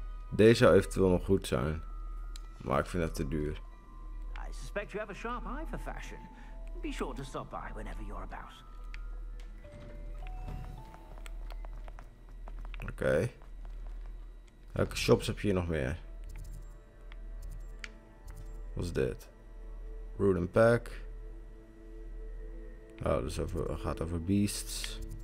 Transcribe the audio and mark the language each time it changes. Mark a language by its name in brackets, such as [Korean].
[Dutch] Deze zou eventueel nog goed zijn. Maar ik vind het te duur. [English] I suspect you have a sharp eye for fashion. Be sure to stop by whenever you're about. [Dutch] Oké. Welke shops heb je hier nog meer? Wat is dit? Root and pack. Oh, dus over, gaat over beasts.